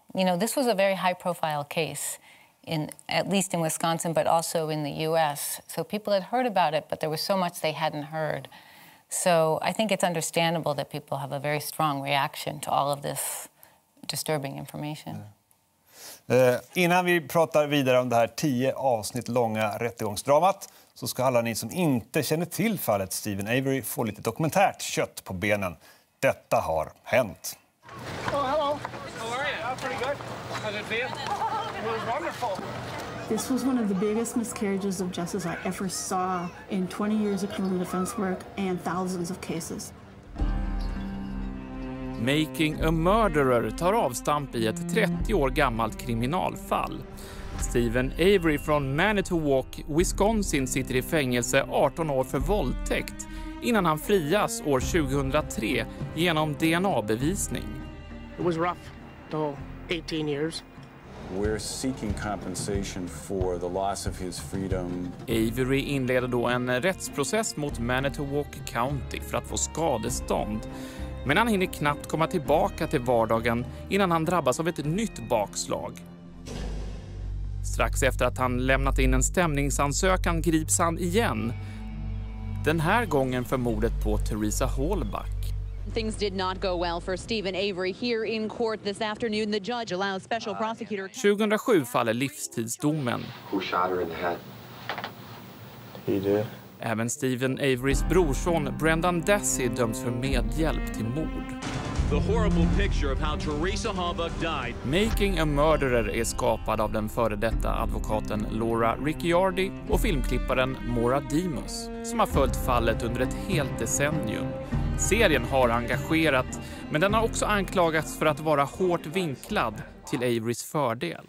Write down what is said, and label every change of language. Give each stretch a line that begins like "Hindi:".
English: You know, this was a very high-profile case, at least in Wisconsin, but also in the U.S. So people had heard about it, but there was so much they hadn't heard. So I think it's understandable that people have a very strong reaction to all of this disturbing information.
Swedish: Innan vi pratar vidare om det här 10 avsnitt långa rättegångsdramat så ska alla ni som inte känner till fallet Stephen Avery få lite dokumentärt kött på benen. Detta har hänt.
English: Oh, hello. How are you? I'm pretty good. How's it been? It was wonderful. This was one of the biggest miscarriages of justice I ever saw in 20 years of criminal defense work and thousands of cases.
Swedish: Making a Murderer tar avstamp i ett 30 år gammalt kriminalfall. Stephen Avery från Manitowoc, Wisconsin sitter i fängelse 18 år för våldtäkt innan han frias år 2003 genom DNA-bevisning.
English: It was rough, the whole 18 years. We're seeking compensation for the loss of his freedom.
Swedish: Avery inleder då en rättsprocess mot Manitowoc County för att få skadestånd. Men han hinner knappt komma tillbaka till vardagen innan han drabbas av ett nytt bakslag. Strax efter att han lämnat in en stämningsansökan grips han igen. Den här gången för mordet på Teresa Hallback.
English: Things did not go well for Stephen Avery here in court this afternoon. The judge allows special prosecutor...
Swedish: 2007 faller livstidsdomen.
English: Who shot her in the head? He did.
Swedish: Även Stephen Averys brorson Brendan Dassey döms för medhjälp till mord.
English: The horrible picture of how Teresa Halbach died.
Swedish: Making a Murderer är skapad av den före detta advokaten Laura Ricciardi och filmklipparen Moira Demos, som har följt fallet under ett helt decennium. Serien har engagerat, men den har också anklagats för att vara hårt vinklad till Averys fördel.